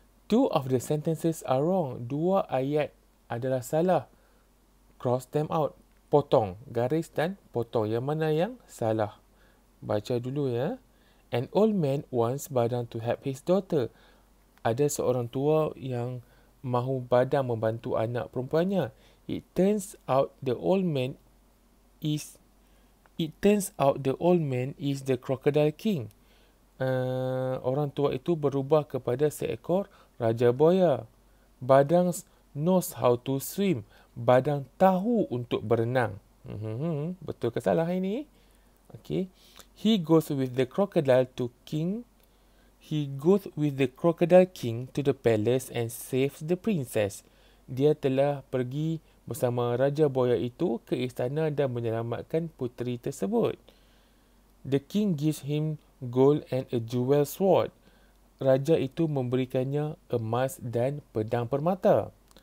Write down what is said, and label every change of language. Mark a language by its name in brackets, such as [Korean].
[English] Two of the sentences are wrong. [Malay] Dua ayat adalah salah. [English] Cross them out. [Malay] Potong. Garis dan potong. Yang mana yang salah? Baca dulu ya. [English] An old man wants Badang to help his daughter. [Malay] Ada seorang tua yang mahu Badang membantu anak perempuannya. [English] It turns out the old man is the crocodile king. [Malay] Orang tua itu berubah kepada seekor raja buaya. [English] Badang knows how to swim. [Malay] Badang tahu untuk berenang. Betul ke salah ini? Okay. [English] He goes with the crocodile king to the palace and saves the princess. [Malay] Dia telah pergi bersama raja buaya itu ke istana dan menyelamatkan puteri tersebut. [English] The king gives him gold and a jewel sword. [Malay] Raja itu memberikannya emas dan pedang permata.